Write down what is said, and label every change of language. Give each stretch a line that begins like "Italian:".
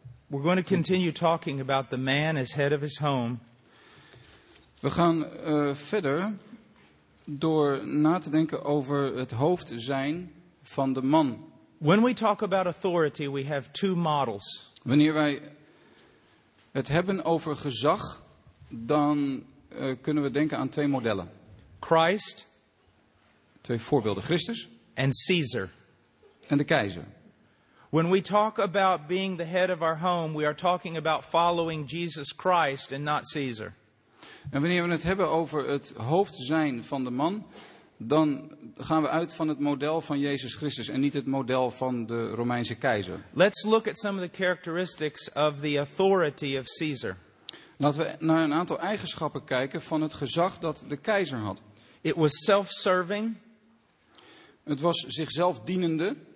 English: We're going to continue talking about the man as head of his home.
Dutch: We gaan verder door na te denken over het hoofd zijn van de man.
English: When we talk about authority, we have two models.
Dutch: Wanneer wij het hebben over gezag, dan kunnen we denken aan twee modellen.
English: Christ.
Dutch: Twee voorbeelden. Christus.
English: And Caesar.
Dutch: En de keizer.
English: When we talk about being the head of our home, we are talking about following Jesus Christ and not Caesar.
Dutch: En wanneer we het hebben over het hoofd zijn van de man, dan gaan we uit van het model van Jezus Christus en niet het model van de Romeinse keizer.
English: Let's look at some of the characteristics of the authority of Caesar.
Dutch: Laten we naar een aantal eigenschappen kijken van het gezag dat de keizer had.
English: It was self-serving.
Dutch: Het was zichzelf dienende.